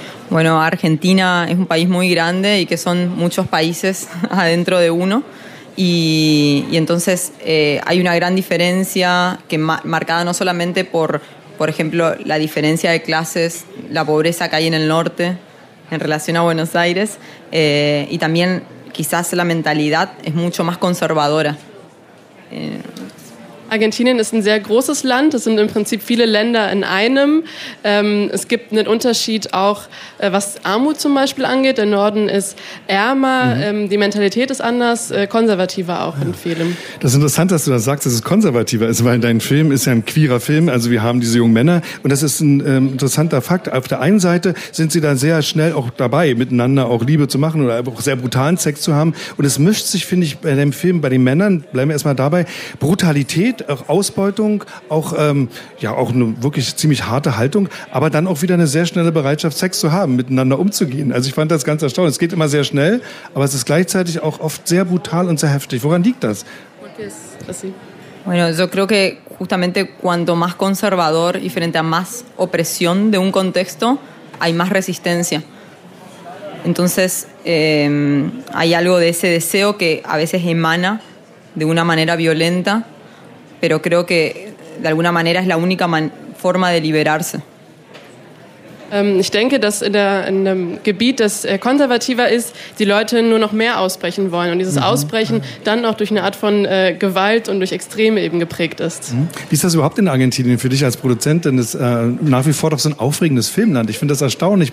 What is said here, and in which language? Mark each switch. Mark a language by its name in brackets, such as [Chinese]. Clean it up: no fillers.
[Spanish] Bueno, Argentina es un país muy grande y que son muchos países adentro de uno y entonces hay una gran diferencia que marcada no solamente por ejemplo la diferencia de clases, la pobreza que hay en el norte en relación a Buenos Aires y también quizás la mentalidad es mucho más conservadora. [German] Argentinien ist ein sehr großes Land. Es sind im Prinzip viele Länder in einem. Es gibt einen Unterschied auch, was Armut zum Beispiel angeht. Der Norden ist ärmer, die Mentalität ist anders, konservativer auch in vielen. Das ist interessant, dass du das sagst, dass es konservativer ist, weil dein Film ist ja ein queerer Film. Also wir haben diese jungen Männer. Und das ist ein interessanter Fakt. Auf der einen Seite sind sie dann sehr schnell auch dabei, miteinander auch Liebe zu machen oder auch sehr brutalen Sex zu haben. Und es mischt sich, finde ich, bei dem Film, bei den Männern, bleiben wir erstmal dabei, Brutalität, auch Ausbeutung, auch, ja, auch eine wirklich ziemlich harte Haltung, aber dann auch wieder eine sehr schnelle Bereitschaft, Sex zu haben, miteinander umzugehen. Also ich fand das ganz erstaunlich. Es geht immer sehr schnell, aber es ist gleichzeitig auch oft sehr brutal und sehr heftig. Woran liegt das? [Spanish] Bueno, yo creo que justamente cuanto más conservador y frente a más opresión de un contexto, hay más resistencia. Entonces, hay algo de ese deseo que a veces emana de una manera violenta, pero creo que de alguna manera es la única forma de liberarse. [German] Ich denke, dass in einem Gebiet, das konservativer ist, die Leute nur noch mehr ausbrechen wollen und dieses Ausbrechen dann auch durch eine Art von Gewalt und durch Extreme eben geprägt ist. Wie ist das überhaupt in Argentinien für dich als Produzent? Denn es ist nach wie vor doch so ein aufregendes Filmland. Ich finde das erstaunlich.